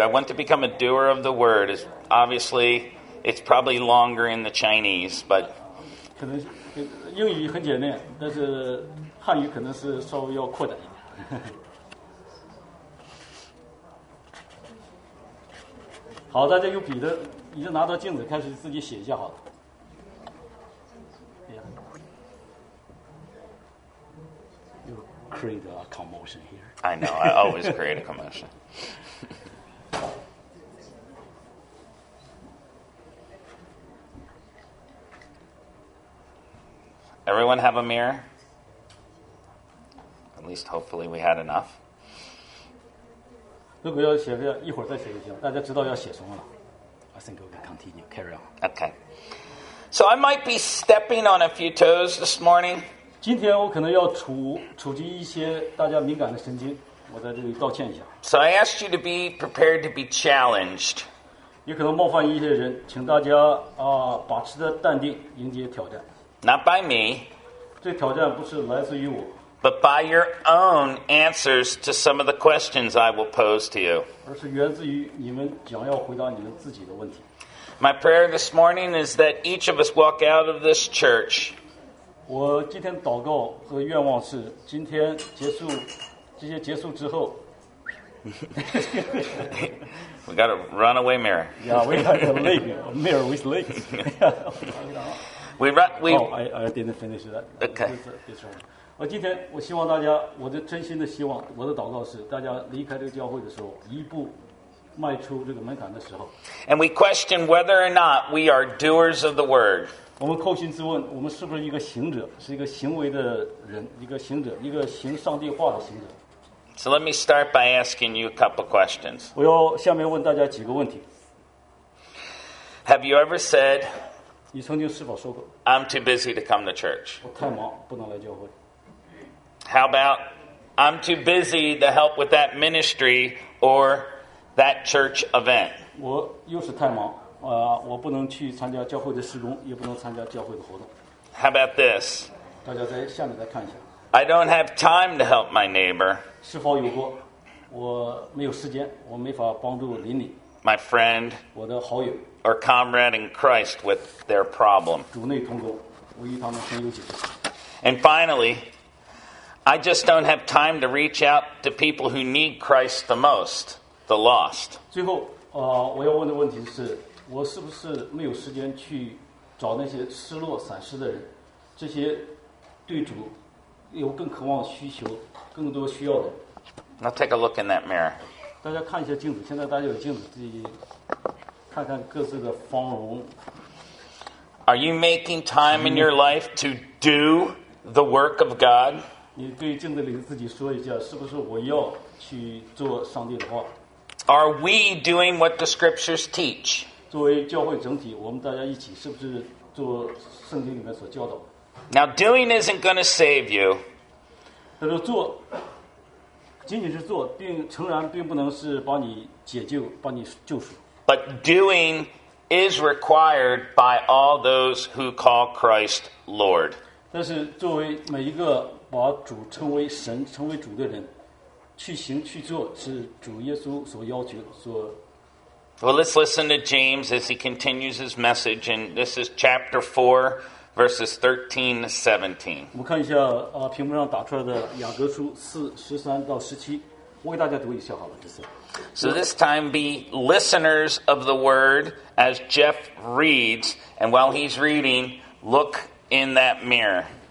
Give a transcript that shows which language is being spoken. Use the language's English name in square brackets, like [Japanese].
[English] I want to become a doer of the word. Is obviously, it's probably longer in the Chinese, but. [Chinese] 可能英语很简单，但是汉语可能是稍微要扩展一点。好，大家用笔的，你就拿到镜子开始自己写一下好了。 [English] Create a commotion here. I know. I always create a commotion. Okay. Everyone have a mirror? At least hopefully we had enough. [Chinese] 如果要写的，一会儿再写就行。大家知道要写什么了。 [English] I think we can continue. Carry on. Okay. So I might be stepping on a few toes this morning. [Chinese] 今天我可能要触及一些大家敏感的神经。我在这里道歉一下。 [English] So I asked you to be prepared to be challenged. [Chinese] 也可能冒犯一些人，请大家保持着淡定，迎接挑战。 [English] Not by me. [Chinese] 这挑战不是来自于我。 [English] But by your own answers to some of the questions I will pose to you. [Chinese] 而是源自于你们将要回答你们自己的问题。 [English] My prayer this morning is that each of us walk out of this church. [Chinese] 我今天祷告和愿望是今天结束。这些结束之后 [English] we got a runaway mirror. Yeah, we got a leak. A mirror with leaks. I didn't finish that. Okay. [Chinese] 今天我希望大家，我的真心的希望，我的祷告是，大家离开这个教会的时候，一步迈出这个门槛的时候。 [English] And we question whether or not we are doers of the word. [Chinese] 我们扣心自问，我们是不是一个行者，是一个行为的人，一个行者，一个行上帝话的行者。 [English] So let me start by asking you a couple questions. [Chinese] 我要下面问大家几个问题。 [English] Have you ever said, [Chinese] 你曾经是否说过, [English] I'm too busy to come to church? [Chinese] 我太忙,不能来教会。 [English] How about, I'm too busy to help with that ministry or that church event? [Chinese] 我又是太忙,我不能去参加教会的施工,也不能参加教会的活动。 [English] How about this? [Chinese] 大家在下面再看一下。 [English] I don't have time to help my neighbor. [Chinese] 是否有过？我没有时间，我没法帮助邻里。 [English] My friend. [Chinese] 我的好友。 [English] Or comrade in Christ with their problem. [Chinese] 主内同工，我与他们深有解释。 [English] And finally, I just don't have time to reach out to people who need Christ the most, the lost. [Chinese] 最后，我要问的问题是，我是不是没有时间去找那些失落、散失的人？这些对主。有更渴望需求，更多需要的。 [English] Now take a look in that mirror. [Chinese] 大家看一下镜子，现在大家有镜子，自己看看各自的芳容。 [English] Are you making time in your life to do the work of God? [Chinese] 你对镜子里自己说一下，是不是我要去做上帝的话 [English] ？Are we doing what the scriptures teach? [Chinese] 作为教会整体，我们大家一起是不是做圣经里面所教导？ [English] Now doing isn't going to save you. [Chinese] 他说做，仅仅是做，诚然并不能是帮你解救，帮你救赎。 [English] But doing is required by all those who call Christ Lord. [Chinese] 但是作为每一个把主称为神、称为主的人，去行去做是主耶稣所要求所。 [English] Well, let's listen to James as he continues his message, and this is chapter 4. Verses 13-17. [Chinese] 我们看一下屏幕上打出来的雅各书四十三到十七，我给大家读一下好了，这次。 [English] So this time, be listeners of the word as Jeff reads, and while he's reading, look in that mirror.